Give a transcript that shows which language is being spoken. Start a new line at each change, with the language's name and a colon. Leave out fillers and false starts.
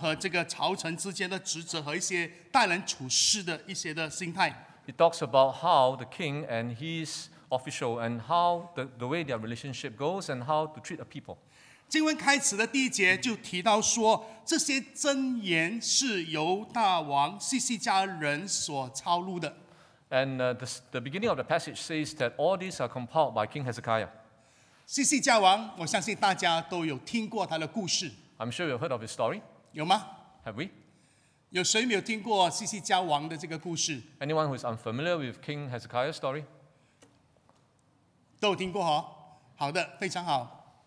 Chinese: 主要是讲述有关这个君王和这个朝臣之间的职责和一些
English: It talks about how the king and his official and how the way their relationship goes and how to treat a people.
Chinese: 经文开始的第一节就提到说这些箴言是由大王西西家人所抄录的。
English: And the beginning of the passage says that all these are compiled by King Hezekiah.
Chinese: 西西家王,我相信大家都有听过他的故事。
English: I'm sure you've heard of his story.
Chinese: 有吗?
English: Have we?
Chinese: 有谁没有听过西西家王的这个故事?
English: Anyone who is unfamiliar with King Hezekiah's story?
Chinese: 都有听过哦? 好的, 非常好。